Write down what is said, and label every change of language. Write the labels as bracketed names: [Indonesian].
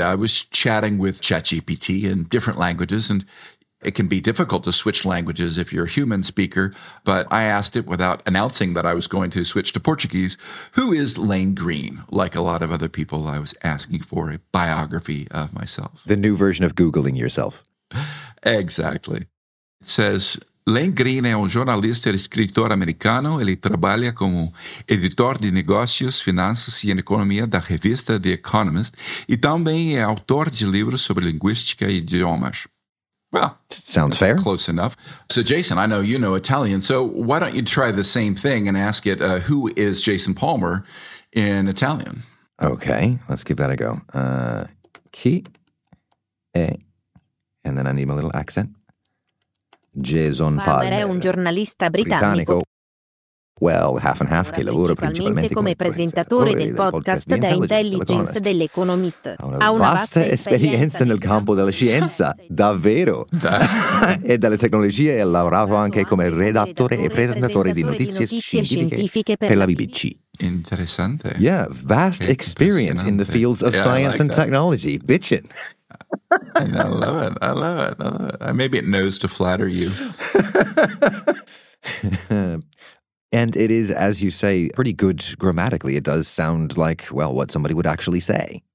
[English] I was chatting with ChatGPT in different languages, and it can be difficult to switch languages if you're a human speaker, but I asked it without announcing that I was going to switch to Portuguese, who is Lane Green? Like a lot of other people, I was asking for a biography of myself. The new version of Googling yourself. Exactly. It says, [Portuguese] Lane Green é jornalista e escritor americano. Ele trabalha como editor de negócios, finanças e economia da revista The Economist e também é autor de livros sobre linguística e idiomas. [English] Well, sounds fair. Close enough. So, Jason, I know you know Italian. So, why don't you try the same thing and ask it, who is Jason Palmer in Italian? Okay, let's give that a go. [Italian] Chi è? [English] And then I need my little accent. Jason Palmer. [Italian] È un giornalista britannico. [English] Well, half and half, [Italian] che lavora principalmente come presentatore del podcast da intelligence dell'Economist. Ha una vasta esperienza nel campo della scienza, davvero. E dalle tecnologie ha lavorato anche come redattore e presentatore di notizie scientifiche per la BBC. Interessante. [English] Yeah, vast experience in the fields of science and technology. Bitchin'. I love it. Maybe it knows to flatter you. And it is, as you say, pretty good grammatically. It does sound like, well, what somebody would actually say.